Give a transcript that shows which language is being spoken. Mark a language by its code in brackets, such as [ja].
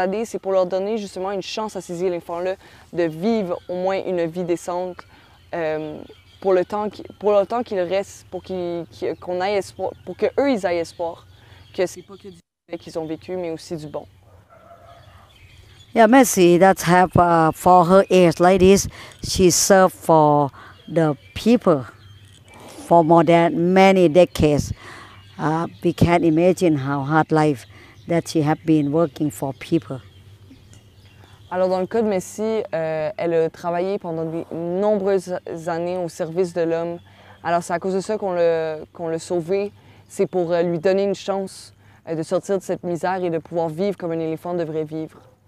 [fr] C'est pour leur donner justement une chance à ces éléphants-là de vivre au moins une vie décente. Pour le temps qu'il reste, qu'on aille espoir, pour que eux ils aient espoir que c'est pas que du mauvais qu'ils ont vécu, mais aussi du bon. [en] Yeah, Messi, that's have for her age like this. She served for the people for more than many decades. We can't imagine how hard life that she have been working for people. [fr] Alors, dans le cas de Messi, elle a travaillé pendant de nombreuses années au service de l'homme. Alors, c'est à cause de ça qu'on l'a sauvée. C'est pour lui donner une chance de sortir de cette misère et de pouvoir vivre comme un éléphant devrait vivre.